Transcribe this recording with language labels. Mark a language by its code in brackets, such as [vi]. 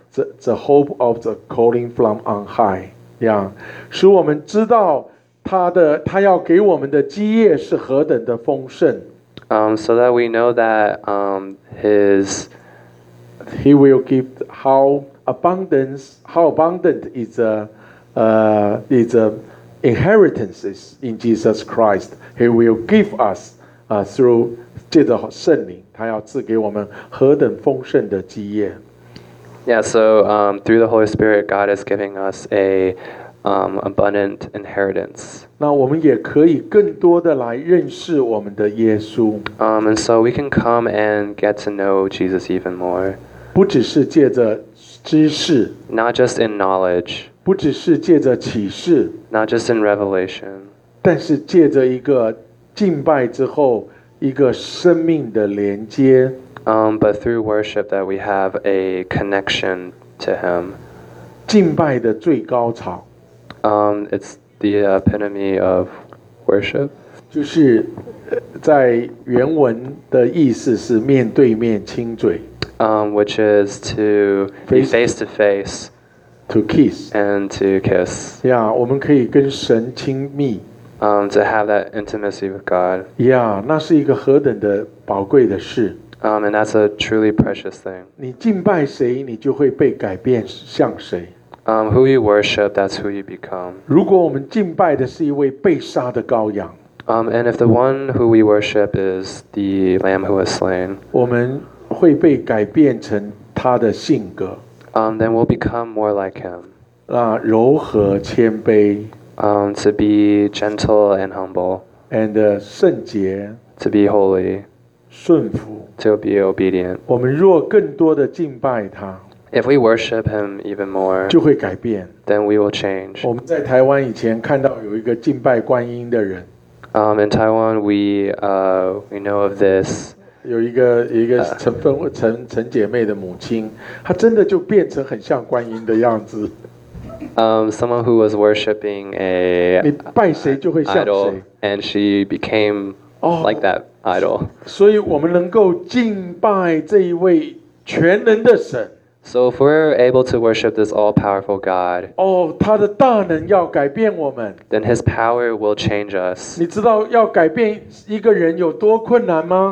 [en] the hope of the calling from on high. [zh] Yeah, 使我们知道他要给我们的基业是何等的丰盛。 [en] So that we know that he will give how abundant is the inheritances in Jesus Christ. He will give us through [zh] 借着圣灵，他要赐给我们何等丰盛的基业。 [en] Yeah, so through the Holy Spirit, God is giving us a abundant inheritance. [zh] 那我们也可以更多的来认识我们的耶稣。 [en] And so we can come and get to know Jesus even more. [zh] 不只是借着知识。 [en] Not just in knowledge. [zh] 不只是借着启示。 [en] Not just in revelation. [zh] 但是借着一个敬拜之后，一个生命的连接。 [en] But through worship that we have a connection to him. [zh] 敬拜的最高潮。 [en] It's the epitome of worship. [zh] 就是在原文的意思是面对面亲嘴。 [en] Which is to be face to face. To kiss. And to kiss. [zh] Yeah, 我们可以跟神亲密。 [en] To have that intimacy with God. [zh] Yeah, 那是一个何等的宝贵的事。 [en] And that's a truly precious thing. [zh] 你敬拜谁，你就会被改变像谁。 [en] Who you worship, that's who you become. [zh] 如果我们敬拜的是一位被杀的羔羊。 [en] And if the one who we worship is the lamb who was slain. [zh] 我们会被改变成他的性格。 [en] Then we'll become more like him. [zh] 那柔和谦卑。 [en] To be gentle and humble. [zh] And 圣洁。 [en] To be holy. [zh] 顺服。 [en] To be obedient. [zh] 我们若更多的敬拜他。 [en] If we worship him even more, [zh] 就会改变。 [en] Then we will change. [zh] 我们在台湾以前看到有一个敬拜观音的人。 [en] In Taiwan, we know of this. [zh] 有一个陈姐妹的母亲，她真的就变成很像观音的样子。 [en] Someone who was worshiping a [zh] 你拜谁就会像谁 [en] idol, and she became like that idol. [zh] 所以我们能够敬拜这一位全能的神。 [en] So if we're able to worship this all-powerful God, [zh] 哦，他的大能要改变我们。 [en] Then his power will change us. [zh] 你知道要改变一个人有多困难吗？